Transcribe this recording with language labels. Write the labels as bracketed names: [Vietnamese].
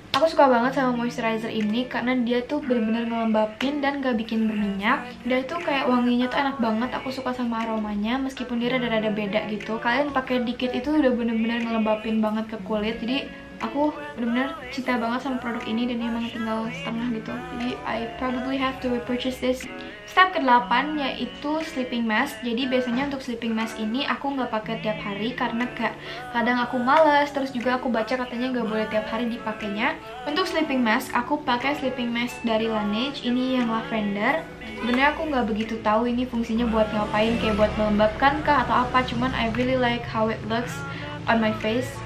[Indonesian] Aku suka banget sama moisturizer ini karena dia tuh bener-bener ngelembapin dan gak bikin berminyak. Dia tuh kayak wanginya tuh enak banget, aku suka sama aromanya meskipun dia rada-rada beda gitu. Kalian pakai dikit itu udah bener-bener ngelembapin banget ke kulit. Jadi aku bener-bener cinta banget sama produk ini dan emang tinggal setengah gitu. Jadi [English] I probably have to repurchase this. [Indonesian] Step ke-8 yaitu sleeping mask. Jadi biasanya untuk sleeping mask ini aku nggak pakai tiap hari karena kayak kadang aku males, terus juga aku baca katanya nggak boleh tiap hari dipakainya. Untuk sleeping mask aku pakai sleeping mask dari Laneige, ini yang lavender. Sebenarnya aku nggak begitu tahu ini fungsinya buat ngapain, kayak buat melembabkan kah atau apa, cuman [English] I really like how it looks on my face.